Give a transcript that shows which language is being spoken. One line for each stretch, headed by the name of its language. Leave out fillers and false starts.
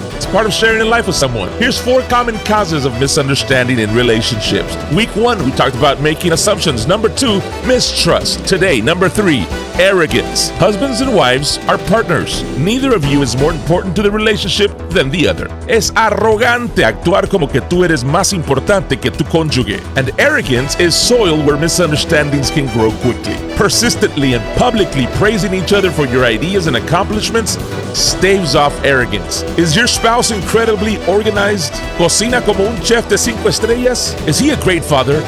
English: It's part of sharing a life with someone. Here's 4 common causes of misunderstanding in relationships. Week 1, we talked about making assumptions. Number 2, mistrust. Today, number 3, arrogance. Husbands and wives are partners. Neither of you is more important to the relationship than the other.
Spanish: Es arrogante actuar como que tú eres más importante que tu cónyuge.
English: And arrogance is soil where misunderstandings can grow quickly. Persistently and publicly praising each other for your ideas and accomplishments staves off arrogance. Is your spouse incredibly organized?
Spanish: Cocina como un chef de 5 estrellas?
English: Is he a great father?